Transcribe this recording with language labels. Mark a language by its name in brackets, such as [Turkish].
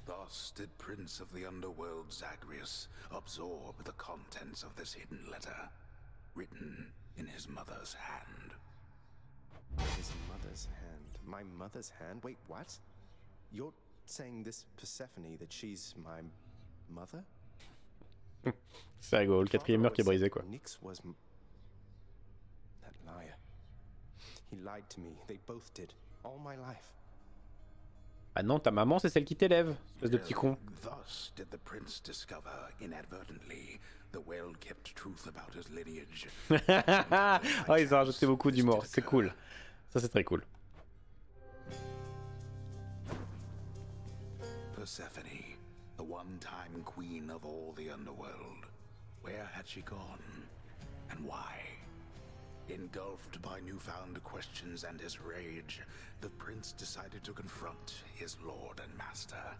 [English] Thus did Prince of the Underworld Zagreus absorb the contents of this hidden letter, written in his mother's hand. His mother's hand? My mother's hand? Wait, what? You're saying this Persephone, that she's my mother? [French] C'est rigolo, le quatrième mur qui est brisé, quoi. [English] Nyx was that liar. He lied to me. They both did. All my life. [French] Ah non, ta maman, c'est celle qui t'élève, espèce de petit con. [English] Thus did the prince discover, inadvertently, the well-kept truth about his lineage. [French] Oh, ils ont rajouté beaucoup d'humour, c'est cool. Ça, c'est très cool. [English] Persephone, the one-time queen of all the underworld. Where had she gone? And why? Engulfed by newfound questions and his rage, the prince decided to confront his lord and master.